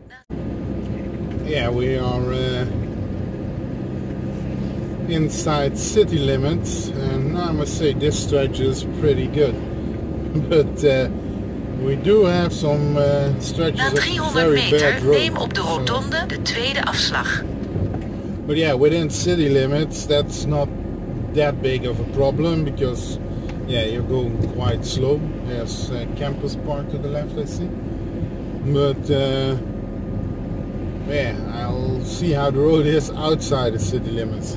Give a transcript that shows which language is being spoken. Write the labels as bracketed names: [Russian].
[English] Yeah, we are inside city limits, and I must say this stretch is pretty good. But we do have some stretches of very bad road. [Dutch] Neem op de rotonde de tweede afslag. [English] But yeah, within city limits, that's not that big of a problem, because yeah, you're going quite slow. There's a campus park to the left, I see. But Yeah, I'll see how the road is outside the city limits.